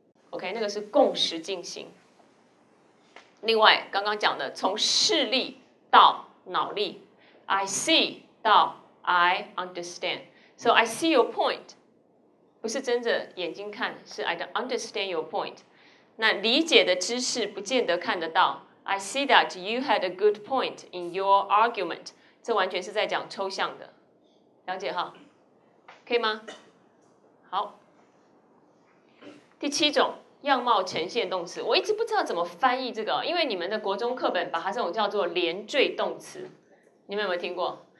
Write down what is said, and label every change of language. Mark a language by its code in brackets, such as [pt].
[zh] OK， 那个是共识进行。另外，刚刚讲的从视力到脑力 ， [en] I see [zh] 到 [en] I understand。 So I see your point， [zh] 不是睁着眼睛看，是 [en] I don't understand your point。 [zh] 那理解的知识不见得看得到。 [en] I see that you had a good point in your argument。 [zh] 这完全是在讲抽象的，了解哈，可以吗？好，第七种样貌呈现动词，我一直不知道怎么翻译这个，因为你们的国中课本把它这种叫做连缀动词，你们有没有听过？